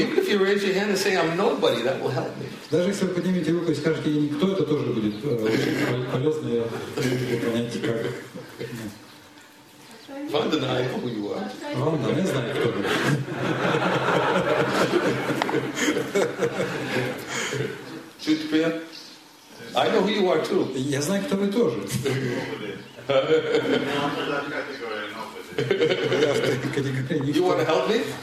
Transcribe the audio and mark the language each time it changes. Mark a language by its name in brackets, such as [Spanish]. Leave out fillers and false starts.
[English] Even if you raise your hand and say, I'm nobody, that will help me. [Russian] Даже если вы поднимете руку и скажете, я никто, это тоже будет очень полезно, я могу понять, как. [English] Ванда, I know who you are. [Russian] Ванда, я знаю, кто вы. Чуть теперь. [English] I know who you are too. [Russian] Я знаю, кто вы тоже. [English] You want to help me?